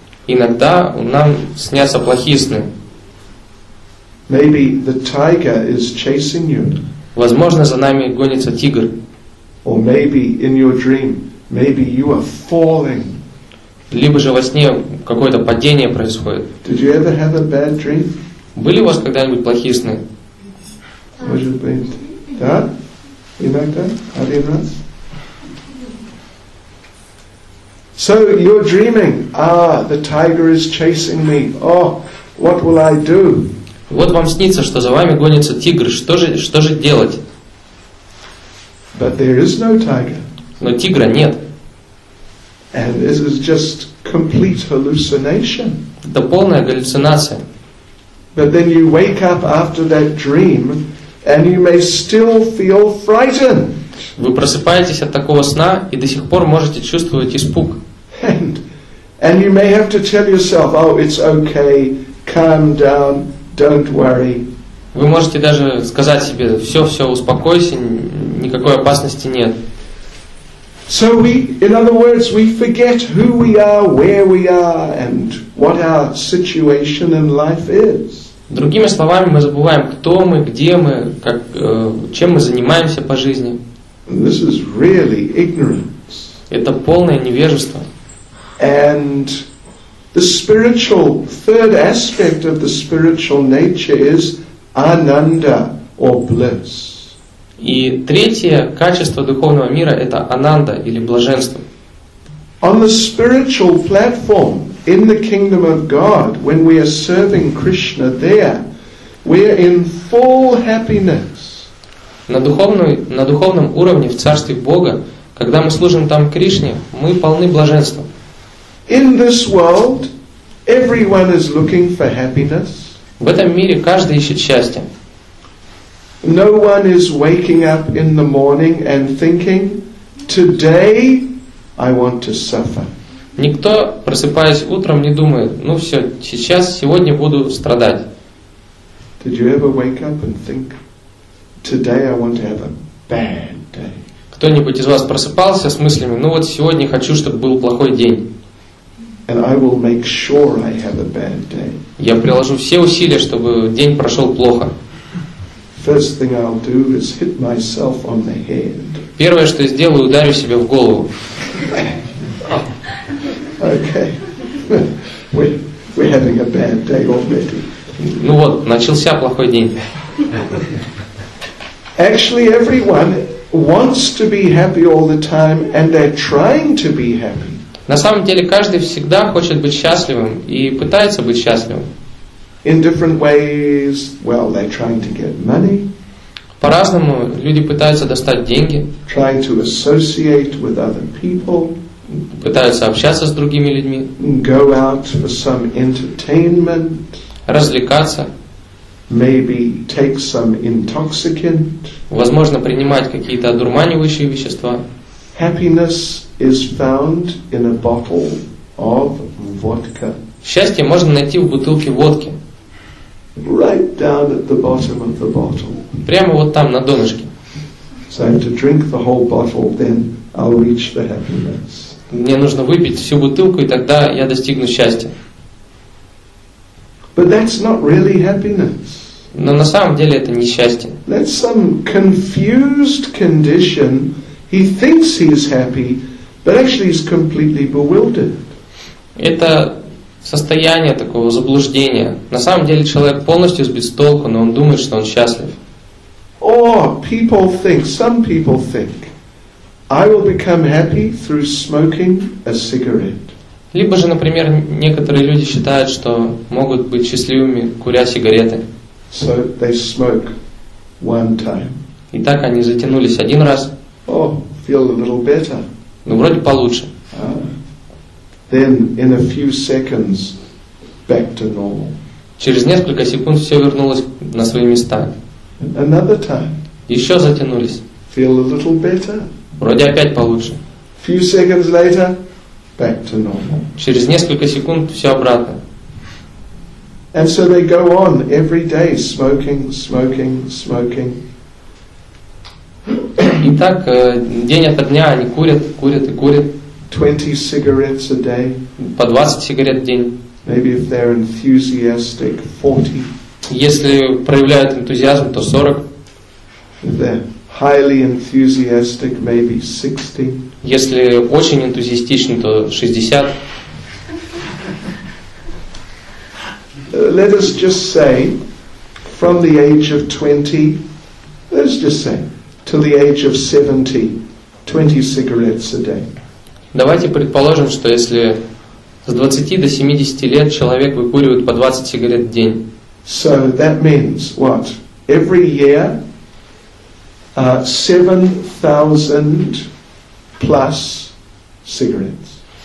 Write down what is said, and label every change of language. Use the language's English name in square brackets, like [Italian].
[Russian] Иногда нам снятся плохие сны. [English] Maybe the tiger is chasing you. [Russian] Возможно, за нами гонится тигр. [English] Or maybe in your dream, maybe you are falling. [Russian] Либо же во сне какое-то падение происходит. [English] Did you ever have a bad dream? [Russian] Были у вас когда-нибудь плохие сны? Может быть, да? Иногда, один раз. [English] So you're dreaming. Ah, the tiger is chasing me. Oh, what will I do? [Russian] Вот вам снится, что за вами гонится тигр. Что же делать? [English] But there is no tiger. [Russian] Но тигра нет. [English] And this is just complete hallucination. [Russian] Это полная галлюцинация. [English] But then you wake up after that dream, and you may still feel frightened. [Russian] Вы просыпаетесь от такого сна и до сих пор можете чувствовать испуг. [English] And you may have to tell yourself, oh, it's okay, calm down, don't worry. [Russian] Вы можете даже сказать себе, все, успокойся, никакой опасности нет. [English] So we, in other words, we forget who we are, where we are, and what our situation in life is. [Russian] Другими словами, мы забываем, кто мы, где мы, как, чем мы занимаемся по жизни. [English] This is really ignorance. [Russian] Это полное невежество. [English] And the spiritual third aspect of the spiritual nature is ananda or bliss. [Russian] И третье качество духовного мира это ананда или блаженство. [English] On the spiritual platform in the kingdom of God, when we are serving Krishna there, we are in full happiness. [Russian] На духовном уровне в царстве Бога, когда мы служим там Кришне, мы полны блаженства. [English] In this world, everyone is looking for happiness. [Russian] В этом мире каждый ищет счастье. [English] No one is waking up in the morning and thinking, today I want to suffer. [Russian] Никто, просыпаясь утром, не думает, ну все, сейчас, сегодня буду страдать. [English] Did you ever wake up and think, today I want to have a bad day? [Russian] Кто-нибудь из вас просыпался с мыслями, ну вот сегодня хочу, чтобы был плохой день. [English] And I will make sure I have a bad day. [Russian] Я приложу все усилия, чтобы день прошел плохо. [English] First thing I'll do is hit myself on the head. [Russian] Первое, что я сделаю, ударю себе в голову. [English] Okay. We're having a bad day already. [Russian] Ну вот, начался плохой день. [English] Actually, everyone wants to be happy all the time, and they're trying to be happy. [Russian] На самом деле, каждый всегда хочет быть счастливым и пытается быть счастливым. [English] In different ways, well, they're trying to get money. [Russian] По-разному люди пытаются достать деньги. [English] Trying to associate with other people. [Russian] Пытаются общаться с другими людьми. [English] Go out for some entertainment. [Russian] Развлекаться. [English] Maybe take some intoxicant. [Russian] Возможно, принимать какие-то одурманивающие вещества. [English] Happiness is found in a bottle of vodka. [Russian] Счастье можно найти в бутылке водки. [English] Right down at the bottom of the bottle. [Russian] Прямо вот там на донышке. [English] So I have to drink the whole bottle, then I'll reach the happiness. [Russian] Мне нужно выпить всю бутылку, и тогда я достигну счастья. [English] But that's not really happiness. [Russian] Но на самом деле это не счастье. [English] That's some confused condition. He thinks he is happy, but actually he's completely bewildered. [Russian] Это состояние такого заблуждения. На самом деле человек полностью сбит с толку, но он думает, что он счастлив. [English] Or people think, some people think, I will become happy through smoking a cigarette. [Russian] Либо же, например, некоторые люди считают, что могут быть счастливыми, куря сигареты. [English] So they smoke one time. [Russian] И так они затянулись один раз. [English] Oh, feel a little better. [Russian] Ну, вроде получше. [English] Then in a few seconds back to normal. [Russian] Через несколько секунд все вернулось на свои места. [English] Another time. [Russian] Еще затянулись. [English] Feel a little better. [Russian] Вроде опять получше. [English] Few seconds later, back to normal. [Russian] Через несколько секунд все обратно. [English] And so they go on every day smoking, smoking, smoking. [Russian] И так день ото дня они курят, курят и курят. [English] 20 cigarettes a day. [Russian] По 20 сигарет в день. [English] Maybe if they're enthusiastic, 40. [Russian] Если проявляют энтузиазм, то 40. [English] If they're highly enthusiastic, maybe 60. [Russian] Если очень энтузиастичны, то 60. [English] Let us just say, from the age of 20, let's just say, till the age of 70, 20 cigarettes a day. [Russian] Давайте предположим, что если с 20 до 70 лет человек выкуривает по 20 сигарет в день. [English] So that means what? Every year 7,000 plus cigarettes.